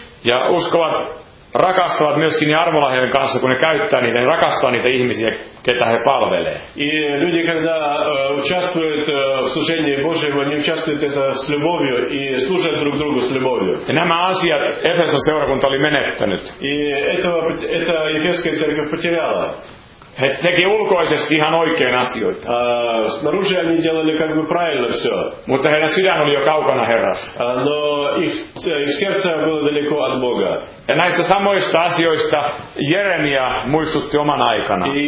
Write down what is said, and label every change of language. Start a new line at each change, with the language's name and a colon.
Finnish: Ja uskovat rakastavat myöskin ne armolahjojen kanssa, kun ne käyttää niitä, ne rakastaa niitä ihmisiä, ketä he palvelee.
Russian: И люди, когда участвуют в служении Божьем, они участвуют это с любовью и служат друг другу с любовью.
Finnish: Ja nämä asiat Efeson seurakunta oli menettänyt.
Russian: И это Ефесская церковь потеряла.
Finnish: He teki ulkoisesti ihan oikein asioita.
Russian: Снаружи они делали как бы правильно все.
Finnish: Mutta heidän sydän oli jo kaukana Herrasta.
Russian: Но их сердце было далеко от Бога.
Finnish: Ja näistä samoista asioista Jeremia muistutti oman aikana.